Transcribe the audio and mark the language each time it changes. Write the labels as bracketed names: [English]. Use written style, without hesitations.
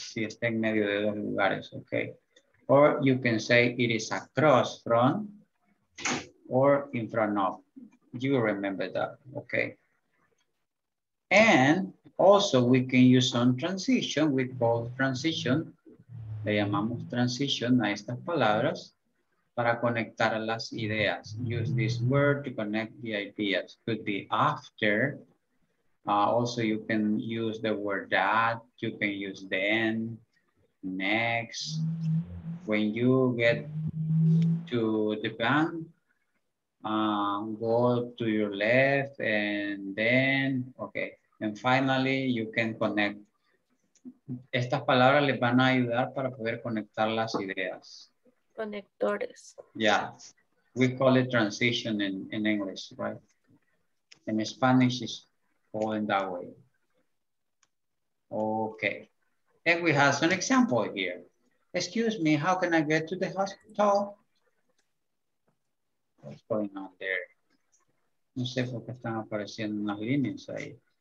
[Spanish] Si está en medio de dos lugares, [English] okay? Or you can say it is across from or in front of. You remember that, okay? And also, we can use some transition with both transition. [Spanish] Le llamamos transition a estas palabras para conectar las ideas. [English] Use this word to connect the ideas. Could be after. Also, you can use the word that. You can use then, next. When you get to the bank, go to your left and then, okay. And finally, you can connect. [Spanish] Estas palabras les van a ayudar para poder conectar las ideas. Conectores. [English] Yeah. We call it transition in English, right? In Spanish, it's all in that way. Okay. And we have an example here. Excuse me, how can I get to the hospital? What's going on there? [Spanish] No sé por qué están apareciendo unas líneas ahí.